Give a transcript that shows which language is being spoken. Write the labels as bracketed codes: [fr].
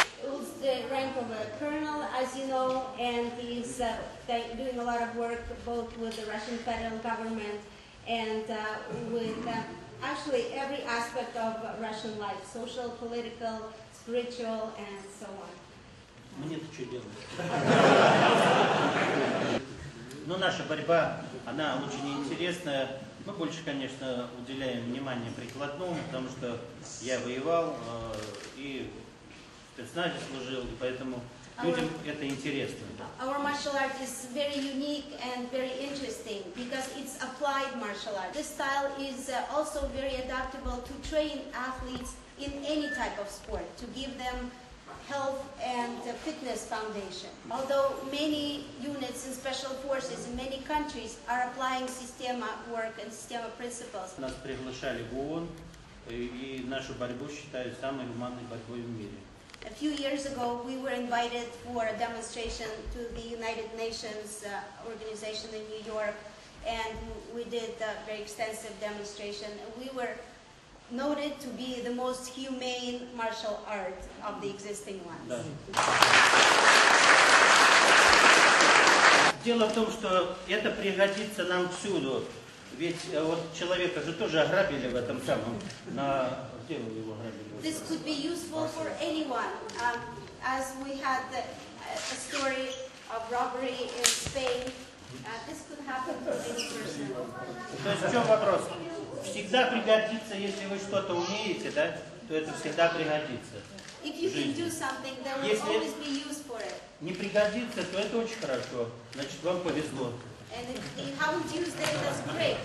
[en] It's the rank of a colonel, as you know, and he's doing a lot of work both with the Russian federal government and with actually every aspect of Russian life, social, political, spiritual, and so on. [ru] Мне тут что делать? Ну, наша борьба, она очень интересная. Мы больше, конечно, уделяем внимание прикладному, потому что я воевал и в спецназе служил, и поэтому людям это интересно. [en] Our martial art is very unique and very interesting because it's applied martial art. This style is also very adaptable to train athletes in any type of sport, to give them health and fitness foundation. Although many units and special forces in many countries are applying Systema work and Systema principles. [ru] Нас приглашали в ООН, и нашу борьбу считают самой гуманной борьбой в мире. [en] a few years ago, we were invited for a demonstration to the United Nations organization in New York, and we did a very extensive demonstration. We were noted to be the most humane martial art of the existing ones. [ru] Дело в том, что это пригодится нам всюду. Ведь вот человека же тоже ограбили в этом самом, на тело его ограбили. [en] This could be useful for anyone. As we had a story of robbery in Spain, this could happen to any person. [ru] То есть в чем вопрос? Всегда пригодится, если вы что-то умеете, да, то это всегда пригодится. [en] If you can do something, there will always be use for it. [ru] Не пригодится, то это очень хорошо. Значит, вам повезло. [en] And if you haven't used it, that's great.